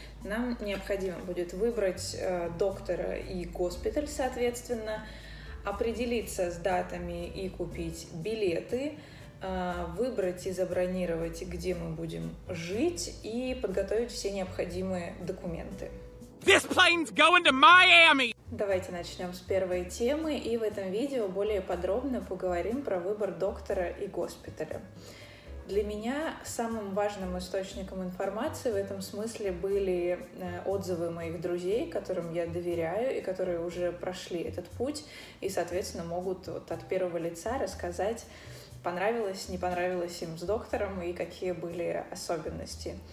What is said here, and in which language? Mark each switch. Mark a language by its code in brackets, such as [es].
[ru] Нам необходимо будет выбрать доктора и госпиталь, соответственно, определиться с датами и купить билеты, выбрать и забронировать, где мы будем жить, и подготовить все необходимые документы. [en] This plane's going to Miami! [ru] Давайте начнем с первой темы, и в этом видео более подробно поговорим про выбор доктора и госпиталя. Для меня самым важным источником информации в этом смысле были отзывы моих друзей, которым я доверяю и которые уже прошли этот путь и, соответственно, могут вот от первого лица рассказать, понравилось, не понравилось им с доктором и какие были особенности.